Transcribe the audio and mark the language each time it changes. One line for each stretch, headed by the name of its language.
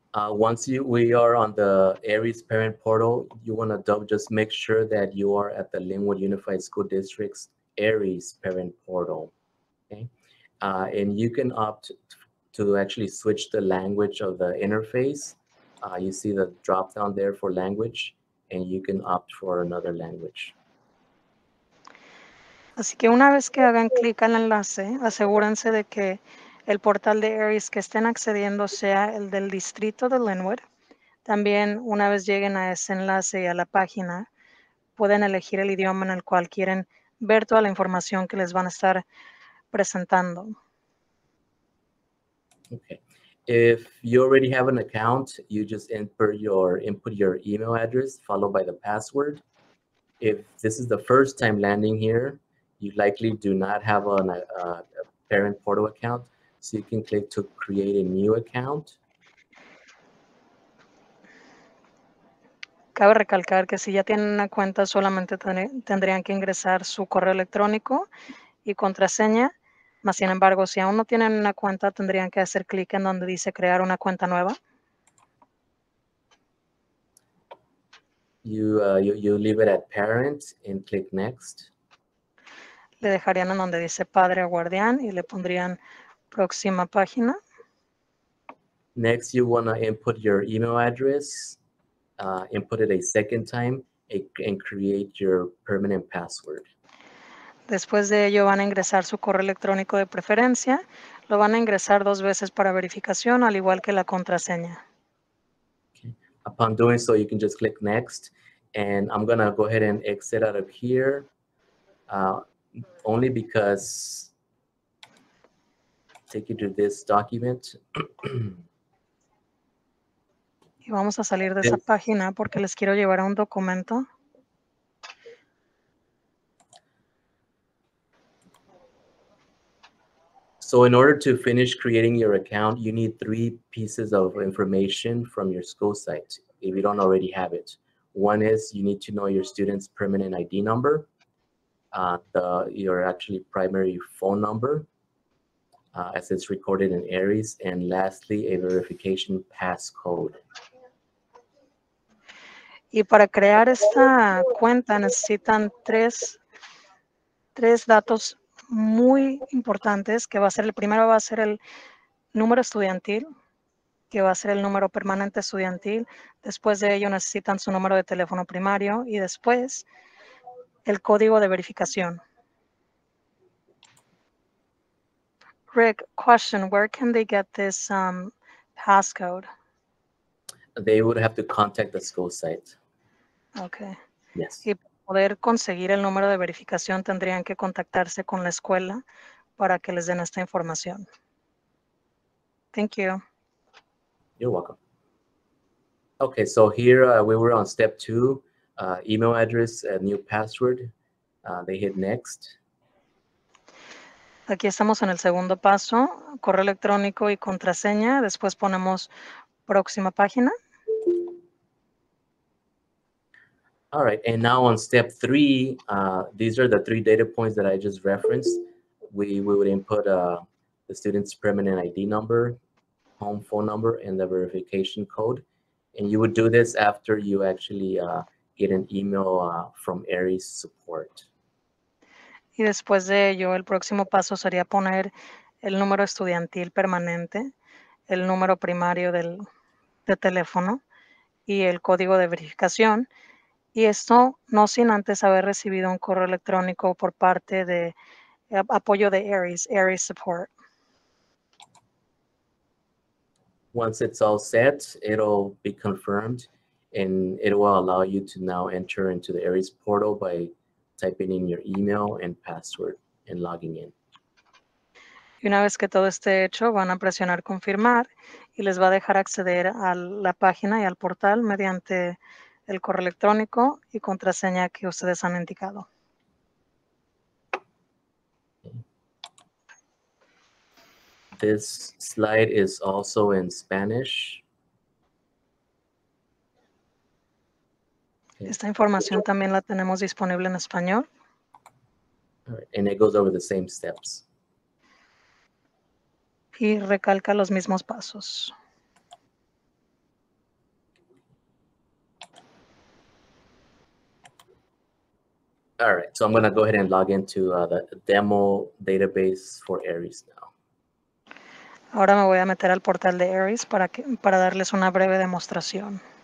English: Once we are on the Aeries parent portal, you want to just make sure that you are at the Linwood Unified School District's Aeries parent portal. Okay, and you can opt to actually switch the language of the interface. You see the drop down there for language, and you can opt for another language.
Spanish: Así que una vez que hagan clic al enlace, asegúrense de que el portal de Aeries que estén accediendo sea el del distrito de Linwood. También, una vez lleguen a ese enlace y a la página, pueden elegir el idioma en el cual quieren ver toda la información que les van a estar presentando.
English: Okay. If you already have an account, you just input your email address followed by the password. If this is the first time landing here, you likely do not have a parent portal account. So you can click to create a new account.
Spanish: Cabe recalcar que si ya tienen una cuenta, solamente tendrían que ingresar su correo electrónico y contraseña. Mas sin embargo, si aún no tienen una cuenta, tendrían que hacer clic en donde dice crear una cuenta nueva.
English: You leave it at parent and click next.
Spanish: Le dejarían en donde dice padre o guardián y le pondrían próxima página.
English: Next, you want to input your email address, input it a second time, and create your permanent password.
Spanish: Después de ello, van a ingresar su correo electrónico de preferencia. Lo van a ingresar dos veces para verificación, al igual que la contraseña.
English: Okay. Upon doing so, you can just click next. And I'm going to go ahead and exit out of here, only because take you to this document.
Spanish: Y vamos a salir de esa página porque les quiero llevar a un documento.
English: So in order to finish creating your account, you need three pieces of information from your school site, if you don't already have it. One is you need to know your student's permanent ID number, your actually primary phone number, as it's recorded in Aeries, and lastly, a verification passcode.
Spanish: Y para crear esta cuenta necesitan tres datos muy importantes, que va a ser el primero, va a ser el número estudiantil, que va a ser el número permanente estudiantil. Después de ello, necesitan su número de teléfono primario y después el código de verificación.
English: Rick, question, where can they get this passcode? They would have to contact the school site. Okay. Yes.
Spanish: Y para poder conseguir el número de verificación, tendrían que contactarse con la escuela para que les den esta información.
English: Thank you. You're welcome. Okay, so here we were on step two, email address, a new password. They hit next.
Spanish: Aquí estamos en el segundo paso, correo electrónico y contraseña. Después ponemos próxima página.
English: All right, and now on step three, these are the three data points that I just referenced. We would input the student's permanent ID number, home phone number, and the verification code. And you would do this after you actually get an email from Aeries support.
Spanish: Y después de ello, el próximo paso sería poner el número estudiantil permanente, el número primario de teléfono y el código de verificación. Y esto no sin antes haber recibido un correo electrónico por parte de apoyo de Aeries, Aeries Support.
English: once it's all set, it'll be confirmed and it will allow you to now enter into the Aeries portal by typing in your email and password and logging in.
Spanish: Y una vez que todo esté hecho, van a presionar confirmar y les va a dejar acceder a la página y al portal mediante el correo electrónico y contraseña que ustedes han indicado.
English: This slide is also in Spanish.
Spanish: Esta información también la tenemos disponible en español.
English: All right. And it goes over the same steps.
Spanish: Y recalca los mismos pasos.
English: All right, so I'm going to go ahead and log into the demo database for Aeries now.
Spanish: Ahora me voy a meter al portal de Aeries para darles una breve demostración.